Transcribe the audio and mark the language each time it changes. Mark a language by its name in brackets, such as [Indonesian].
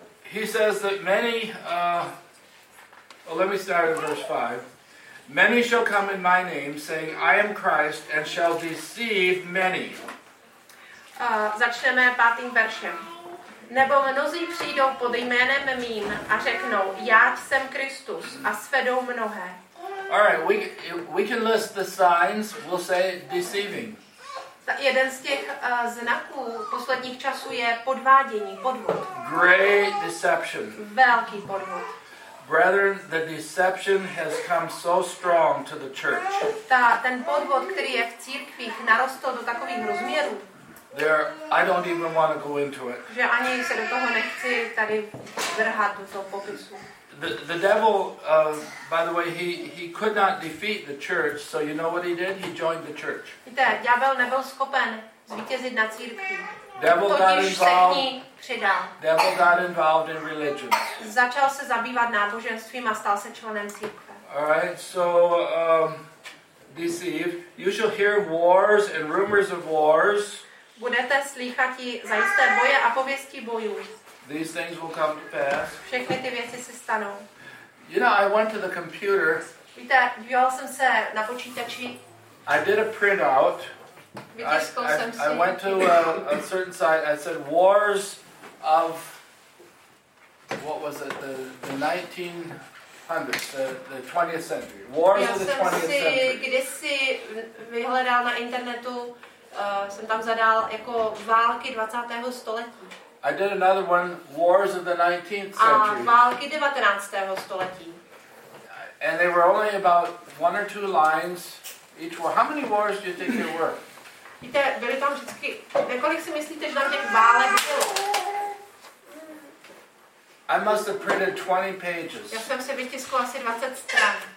[English] He says that many, let me start at verse 5. Many shall come in my name, saying, I am Christ, and shall deceive many. [Czech] Začneme pátým veršem. Nebo mnozí přijdou pod jménem mým a řeknou, já jsem Kristus, a svedou mnohé. [English] All right, we can list the signs, we'll say deceiving. [Czech] Jeden z těch znaků posledních časů je podvádění, podvod. [English] Great deception. [Czech] Velký podvod. [English] Brethren, the deception has come so strong to the church. [Czech] Ten podvod, který je v církvích, narostl do takových rozměrů. [English] There, I don't even want to go into it. [Czech] Že ani se do toho nechci tady vrhat do toho popisu. [English] The devil, by the way, he could not defeat the church, so you know what he did? He joined the church. [Czech] Víte, ďábel nebyl schopen zvítězit na církvi. [English] Devil got involved. [Czech] Přidal. [English] Devil got involved in religion. [Czech] Začal se zabývat náboženstvím a stal se členem církve. [English] All right, so deceive. You shall hear wars and rumors of wars. [Czech] Budete slýchat zajisté boje a pověsti bojů. [English] These things will come to pass. [Czech] Všechny ty věci se stanou. [English] You know, I went to the computer. [Czech] Víte, díval jsem se na počítači. [English] I did a printout. [Czech] Vytiskl jsem si. [English] I went to a certain site. I said wars of what was it? The 1900s, the 20th century. Wars of the 20th century. [Czech] Kdysi vyhledal na internetu. Jsem tam zadal jako války 20. století. [English] I did another one, wars of the 19th century. [Czech] A války 19. století. [English] And they were only about one or two lines each war. How many wars do you think there were? [Czech] Víte, byly tam vždycky, kolik si myslíte, že tam těch válek bylo? [English] I must have printed 20 pages. [Czech] Já jsem se vytiskl asi 20 stran.